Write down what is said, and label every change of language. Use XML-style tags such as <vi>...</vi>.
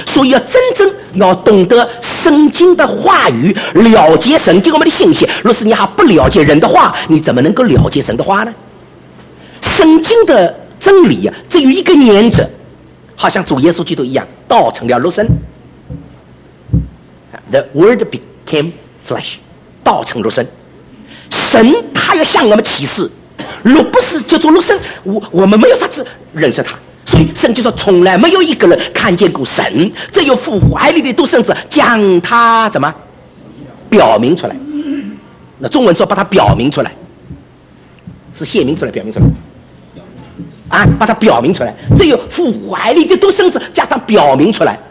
<zh>所以要真正要懂得圣经的话语，了解神给我们的信息。若是你还不了解人的话，你怎么能够了解神的话呢？圣经的真理啊，只有一个原则，好像主耶稣基督一样，道成了肉身。</zh> <en>The word became flesh，</en> <zh>道成肉身。神他要向我们启示，若不是叫做肉身，我们没有法子认识他。所以圣经说从来没有一个人看见过神，只有父怀里的独生子将他怎么表明出来。那中文说把他表明出来，是显明出来，表明出来啊，把他表明出来，只有父怀里的独生子将他表明出来。</zh>